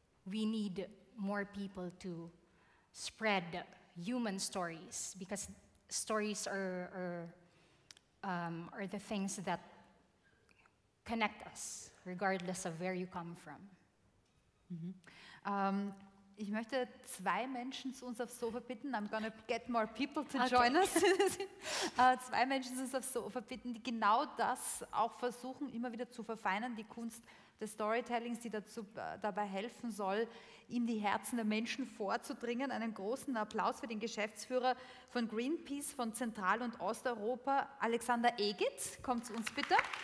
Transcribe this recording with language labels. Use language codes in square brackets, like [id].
[en] we need more people to spread human stories, because stories are the things that connect us, regardless of where you come from. Mm-hmm. [de] Ich möchte zwei Menschen zu uns aufs Sofa bitten. [en] I'm gonna get more people to join us. [de] zwei Menschen zu uns aufs Sofa bitten, die genau das auch versuchen, immer wieder zu verfeinern, die Kunst des Storytellings, die dazu dabei helfen soll, in die Herzen der Menschen vorzudringen. Einen großen Applaus für den Geschäftsführer von Greenpeace von Zentral- und Osteuropa, Alexander Egitt. Komm zu uns bitte.